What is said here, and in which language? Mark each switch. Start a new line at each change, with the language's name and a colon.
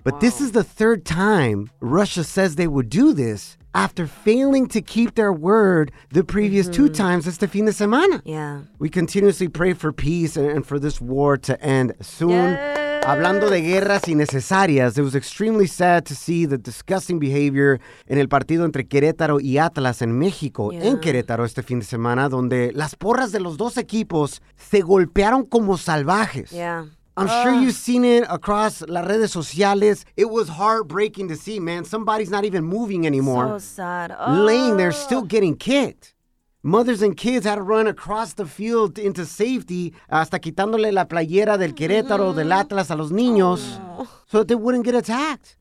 English: But this is the third time Russia says they would do this after failing to keep their word the previous two times
Spanish: este fin de semana.
English: Yeah. We continuously pray for peace and for this war to end soon. Yeah.
Spanish: Hablando de guerras innecesarias,
English: it was extremely sad to see the disgusting behavior
Spanish: en el partido entre Querétaro y Atlas en México, en Querétaro este fin de semana, donde las porras de los dos equipos se golpearon como salvajes.
English: Yeah. I'm sure you've seen it across
Spanish: las redes sociales.
English: It was heartbreaking to see, man. Somebody's not even moving anymore. So sad. Laying there, still getting kicked. Mothers and kids had to run across the field into safety,
Spanish: hasta quitándole la playera del Querétaro, del Atlas a los niños,
English: so that they wouldn't get attacked.